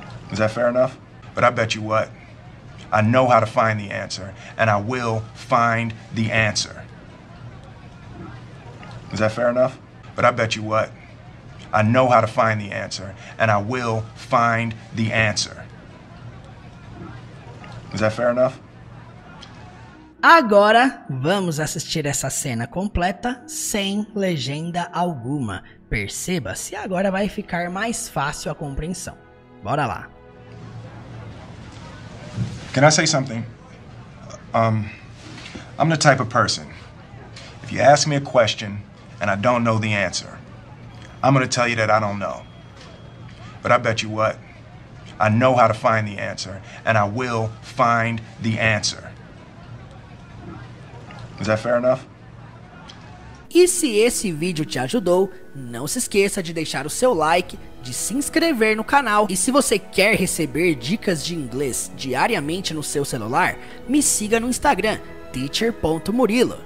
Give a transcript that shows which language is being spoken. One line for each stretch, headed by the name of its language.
English: Is that fair enough? But I bet you what? I know how to find the answer. And I will find the answer. Is that fair enough? But I bet you what? I know how to find the answer, and I will find the answer. Is that fair enough?
Portuguese: Agora, vamos assistir essa cena completa sem legenda alguma. Perceba se agora vai ficar mais fácil a compreensão. Bora lá.
English: Can I say something? I'm the type of person. If you ask me a question, and I don't know the answer. I'm gonna tell you that I don't know. But I bet you what? I know how to find the answer, and I will find the answer. Is that fair enough?
Portuguese: E se esse vídeo te ajudou, não se esqueça de deixar o seu like, de se inscrever no canal, e se você quer receber dicas de inglês diariamente no seu celular, me siga no Instagram, teacher.murilo.